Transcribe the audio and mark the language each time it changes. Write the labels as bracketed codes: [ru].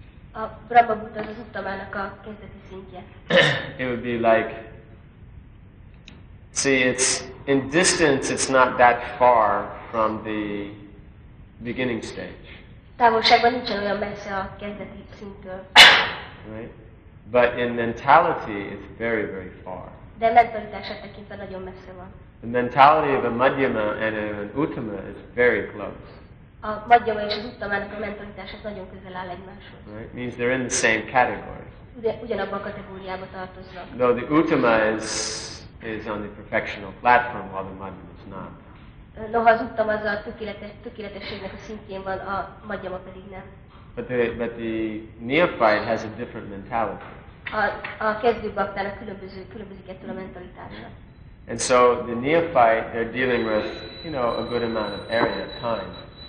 [hu] A Brahmabhuta az Uttamának a kezdeti szintje. [en] It would be like, see, it's in distance, it's not that far from the beginning stage. [hu] Távolságban nincsen olyan messze a kezdeti szintől. [en] Right? But in mentality, it's very, very far. [hu] De mentalitását tekintve nagyon messze van. [en] The mentality of a Madhyama and an Uttama is very close. [hu] A Madhyama és az Uttamának a mentalitása nagyon közel áll egymáshoz. [en] Right? Means they're in the same category. [hu] Ugyanabban a kategóriában tartoznak. [en] Though the Uttama is on the perfectional platform, while the Madhyama is not. [hu] Noha az Uttama az a tökéletességnek a szintjén van, a Madhyama pedig nem. [en] But the neophyte has a different mentality. [hu] A kezdő baktának különbözik ettől a mentalitása. [en] And so the neophyte, they're dealing with, you know, a good amount of area, time.